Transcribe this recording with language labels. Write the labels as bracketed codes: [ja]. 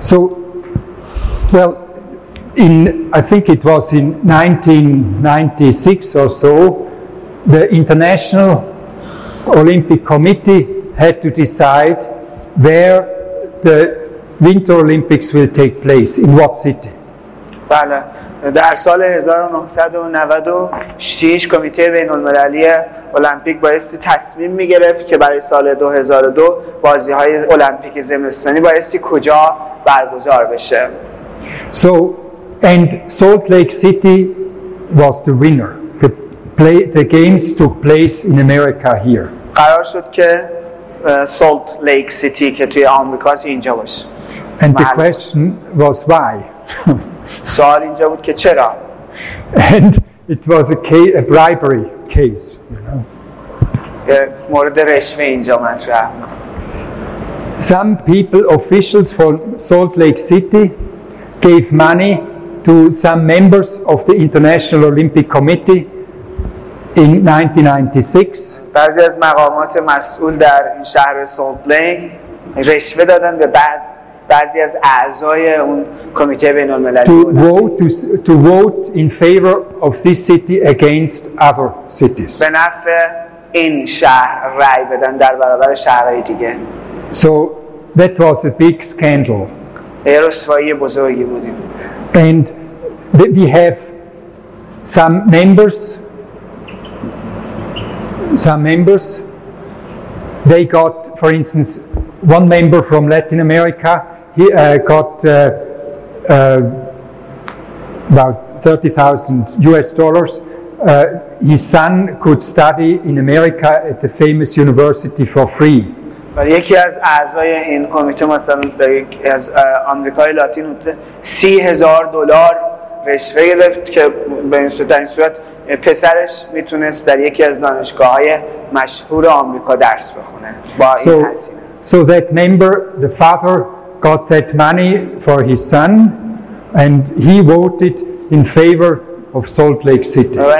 [en] So, well, in I think it was in 1996 or so, the International Olympic Committee had to decide where the Winter Olympics will take place, in what city. [fa] بله در سال 1996 کمیته بین المللی المپیک بایستی تصمیم میگرفت که برای سال 2002 بازی های المپیک زمستانی بایستی کجا برگزار بشه. [en] So and Salt Lake City was the winner. The games took place in America here. [fa] قرار شد که Salt Lake City که توی آمریکاست اینجا باشه. [en] And the question was why? [fa] سوال اینجا بود که چرا؟ [en] And it was a bribery case, you know. [fa] مورد رشوه اینجا مطرح. [en] Some people, officials from Salt Lake City, gave money to some members of the International Olympic Committee in 1996. [fa] بعضی از مقامات مسئول در این شهر سالت لیک رشوه دادن به بعد بعضی از اعضای اون کمیته بین المللی [en] to vote in favor of this city against other cities. [fa] به نفع این شهر رای بدن در برابر شهرهای دیگه. [en] So that was a big scandal. [fa] رسوایی بزرگی بود. [en] And we have some members they got, for instance, one member from Latin America. He got about $30,000. His son could study in America at the famous university for free. [fa] But یکی از اعضای این کمیته مثلا از آمریکای لاتین $30,000 رشوه گرفت که به این صورت پسرش میتونست در یکی از دانشگاه‌های مشهور آمریکا درس بخونه با این هزینه. [en] So that member, the father, got that money for his son, and he voted in favor of Salt Lake City.